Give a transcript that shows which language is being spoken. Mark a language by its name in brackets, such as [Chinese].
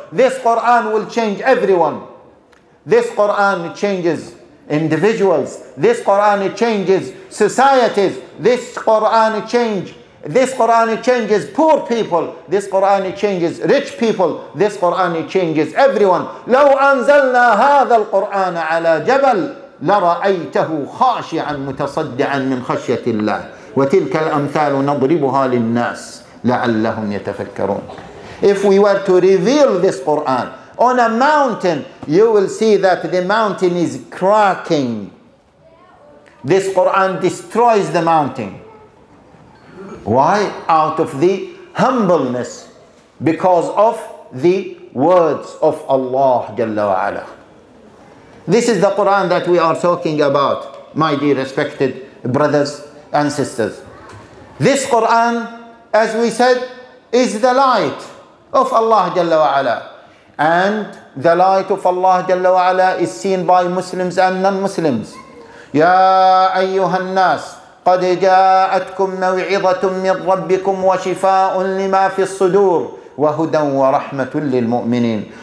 [English] This Quran will change everyone. This Quran changes individuals. This Quran changes societies. This Quran change. This Quran changes poor people. This Quran changes rich people. This Quran changes everyone. [Arabic] لو أنزلنا هذا القرآن على جبل لرأيته خاشعا متصدعا من خشية الله وتلك الأمثال نضربها للناس لعلهم يتفكرون. [English] If we were to reveal this Quran on a mountain, you will see that the mountain is cracking. This Quran destroys the mountain. Why? Out of the humbleness, because of the words of Allah Jalla wa Ala. This is the Quran that we are talking about, my dear respected brothers and sisters. This Quran, as we said, is the light of Allah Jalla wa Ala. And the light of Allah Jalla wa Ala is seen by Muslims and non-Muslims. [Arabic] Ya ayyuha an-nas, قد جاءتكم موعظة من ربكم وشفاء لما في الصدور وهدى ورحمة للمؤمنين.